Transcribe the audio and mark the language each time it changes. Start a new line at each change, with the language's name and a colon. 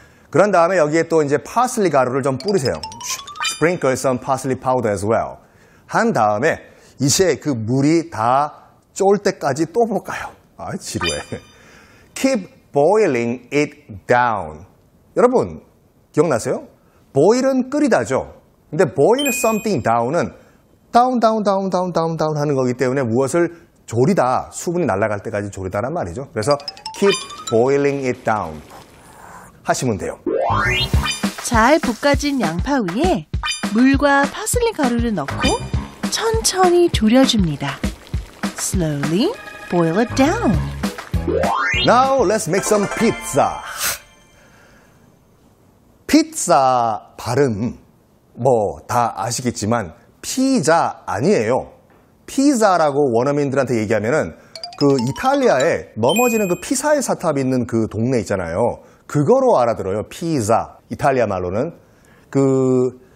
Korean: 그런 다음에 여기에 또 이제 파슬리 가루를 좀 뿌리세요.
English: Sprinkle some parsley powder as well.
Korean: 한 다음에 이제 그 물이 다 쫄 때까지 또 볶아요. 아, 지루해.
English: Keep boiling it down.
Korean: 여러분, 기억나세요? Boil은 끓이다죠? 근데 boil something down은 down, down, down, down, down, down 하는 거기 때문에 무엇을 졸이다, 수분이 날아갈 때까지 졸이다란 말이죠. 그래서
English: keep boiling it down
Korean: 하시면 돼요. 잘 볶아진 양파 위에 물과 파슬리 가루를 넣고 천천히 졸여줍니다.
English: Slowly boil it down. Now let's make some pizza.
Korean: 피자 발음 뭐 다 아시겠지만 피자 아니에요. 피자라고 원어민들한테 얘기하면은 그 이탈리아에 넘어지는 그 피사의 사탑 있는 그 동네 있잖아요. 그거로 알아들어요. 피자. 이탈리아 말로는 그